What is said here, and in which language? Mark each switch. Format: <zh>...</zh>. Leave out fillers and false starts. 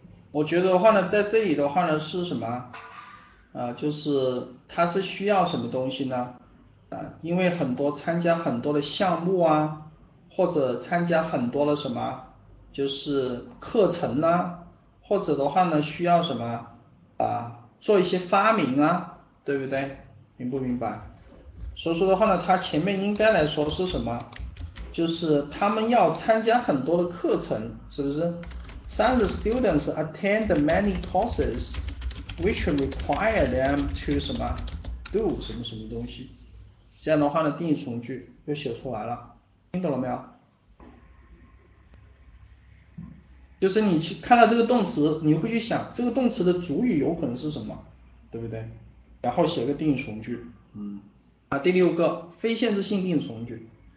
<zh>我觉得的话呢在这里的话呢是什么就是它是需要什么东西呢因为很多参加很多的项目啊，或者参加很多的什么就是课程啊，或者的话呢需要什么做一些发明啊，对不对？明不明白？所以说的话呢它前面应该来说是什么，就是他们要参加很多的课程，是不是？</zh> <en>Science students attend many courses which require them to 什么 do</en> <zh>什么什么东西。这样的话呢定语从句又写出来了，听懂了没有？就是你看到这个动词你会去想这个动词的主语有可能是什么，对不对？然后写个定语从句。第六个，非限制性定语从句。</zh>